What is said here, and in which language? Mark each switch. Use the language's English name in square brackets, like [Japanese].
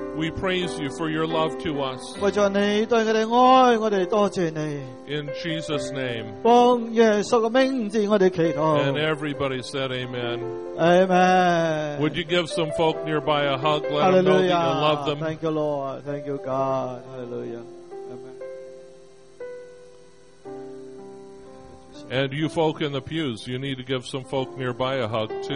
[English] We praise you for your love to us. [Chinese] 为着你对他们爱，我们多谢你。 [English] In Jesus' name. [Chinese] 奉耶稣的名字，我们祈祷。 [English] And everybody said amen. Amen. Would you give some folk nearby a hug? Let them know that you love them. Thank you, Lord. Thank you, God. Hallelujah. And you folk in the pews, you need to give some folk nearby a hug too.